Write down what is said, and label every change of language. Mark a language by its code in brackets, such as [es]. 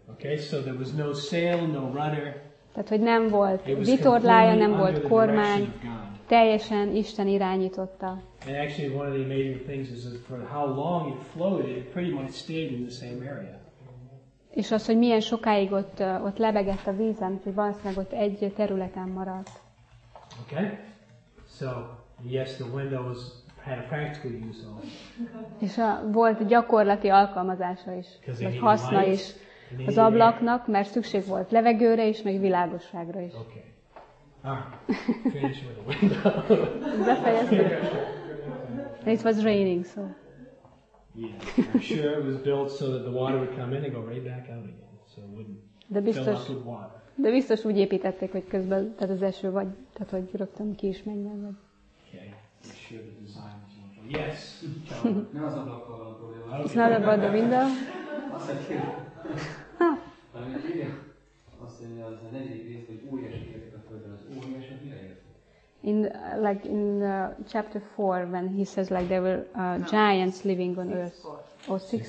[en] Okay, so there was no sail, no rudder. [hu] Tehát, hogy nem volt vitorlája, nem volt kormány, teljesen Isten irányította. [en] And actually one of the amazing things is that for how long it floated, it pretty much stayed in the same area. [hu] És az, hogy milyen sokáig ott lebegett a vízen, hogy valószínűleg ott egy területen maradt. [en] Okay, so yes, the windows had a practical use also. [hu] És volt gyakorlati alkalmazása is, meg haszna is az ablaknak, mert szükség volt levegőre is, meg világosságra is. [en] Okay, all right, finish with the window. It was raining, so. Yeah, I'm sure it was built so that the water would come in and go right back out again, so it wouldn't [hu] biztos, [en] fill up with water. [hu] De biztos úgy építették, hogy közben, tehát az eső vagy, tehát hogy rögtön ki is menjen, vagy. [en] Okay, I'm sure the design is wonderful. Yes! [hu] Nem az ablak a probléma. [en] It's not about the window. [hu] Azt mondja, hogy az a negyedik rész, hogy új esetek a földön, az új eset mire jött? [en] In like in chapter 4 when he says like there were giants living on earth or 6:4